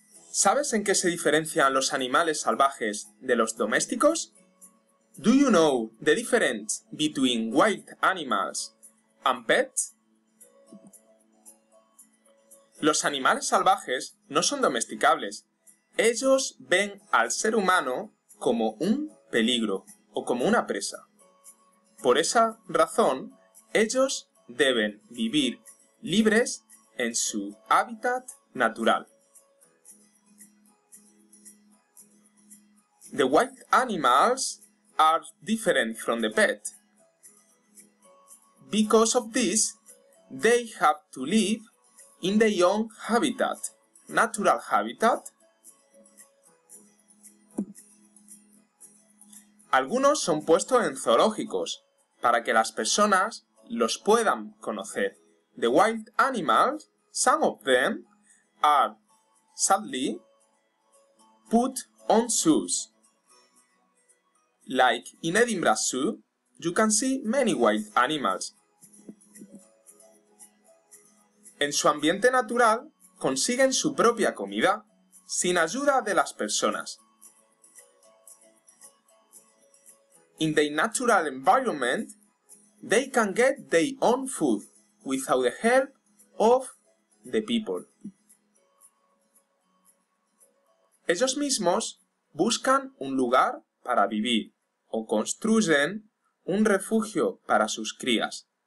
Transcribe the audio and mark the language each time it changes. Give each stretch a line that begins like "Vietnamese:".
Spanish: ¿Sabes en qué se diferencian los animales salvajes de los domésticos?
English: Do you know the difference between wild animals and pets?
Spanish: Los animales salvajes no son domesticables. Ellos ven al ser humano como un peligro o como una presa. Por esa razón, ellos deben vivir libres en su hábitat natural.
English: The wild animals are different from the pet. Because of this, they have to live in their own habitat, natural habitat.
Spanish: Algunos son puestos en zoológicos para que las personas los puedan conocer.
English: The wild animals, some of them, are sadly put on zoos. Like in Edinburgh Zoo, you can see many wild animals.
Spanish: En su ambiente natural consiguen su propia comida sin ayuda de las personas.
English: In their natural environment, they can get their own food without the help of the people.
Spanish: Ellos mismos buscan un lugar para vivir o construyen un refugio para sus crías.